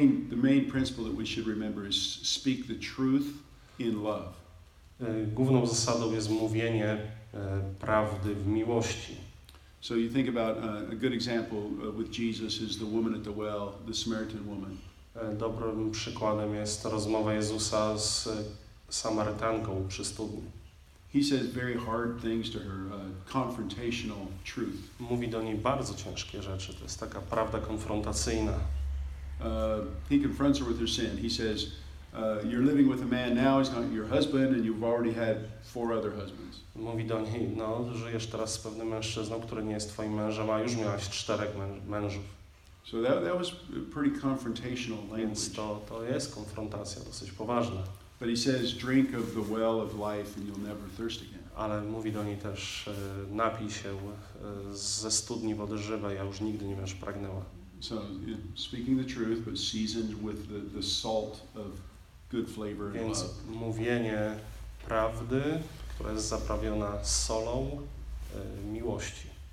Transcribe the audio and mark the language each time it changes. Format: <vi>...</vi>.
<en>The main principle that we should remember is speak the truth in love.</en> <pl>główną zasadą jest mówienie prawdy w miłości.</pl> <en>So you think about a good example with Jesus is the woman at the well, the Samaritan woman.</en> <pl>Dobrym przykładem jest rozmowa Jezusa z Samarytanką przy studni.</pl> <en>He says very hard things to her, confrontational truth.</en> <pl>Mówi do niej bardzo ciężkie rzeczy, to jest taka prawda konfrontacyjna.</pl> <en>He confronts her with her sin. He says, you're living with a man now, he's not your husband, and you've already had four other husbands.</en> <pl>Mówi do niej, no, żyjesz teraz z pewnym mężczyzną, który nie jest twoim mężem, a już miałaś czterech mężów.</pl> <en>So that was pretty confrontational language.</en> <pl>Więc to jest konfrontacja dosyć poważna.</pl> <en>But he says, drink of the well of life and you'll never thirst again.</en> <pl>Ale mówi do niej też, napij się ze studni wody żywej, a już nigdy nie będziesz pragnęła.</pl> <en>So, you know, speaking the truth, but seasoned with the salt of good flavor and</en> <pl>Więc</pl> <en>love.</en> <pl>Mówienie prawdy, która jest zaprawiona solą miłości.</pl>